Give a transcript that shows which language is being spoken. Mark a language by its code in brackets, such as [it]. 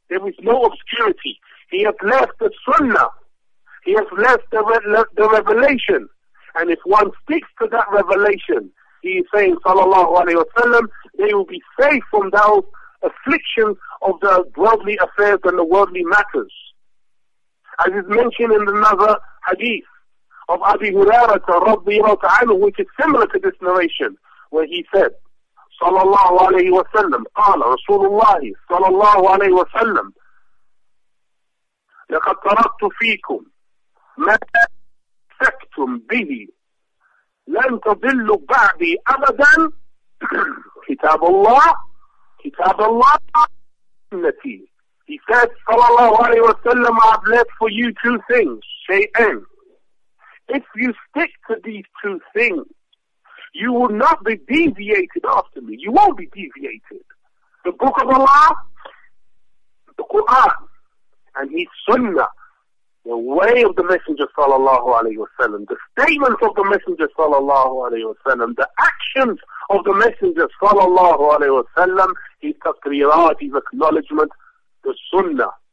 [en] There is no obscurity. He has left the sunnah. He has left the revelation. And if one sticks to that revelation, he is saying, sallallahu alayhi wa sallam, they will be safe from those afflictions of the worldly affairs and the worldly matters. As is mentioned in another hadith of Abi Hurairah radiyallahu ta'ala, which is similar to this narration, where he said, [ar] صلى الله عليه وسلم قال رسول الله صلى الله عليه وسلم لقد تركت فيكم ما أمسكتم به لن تضلوا بعدي أبدا كتاب الله كتاب الله سنتي. [en] He said [ar] صلى الله عليه وسلم, [en] I've left for you two things, شيئين. If you stick to these two things, you will not be deviated after me. You won't be deviated. The Book of Allah, the Quran, and his Sunnah, the way of the Messenger sallallahu alayhi wa sallam, the statements of the Messenger sallallahu alayhi wa sallam, the actions of the Messenger sallallahu alayhi wa sallam, his taqrirat, his acknowledgement, the Sunnah.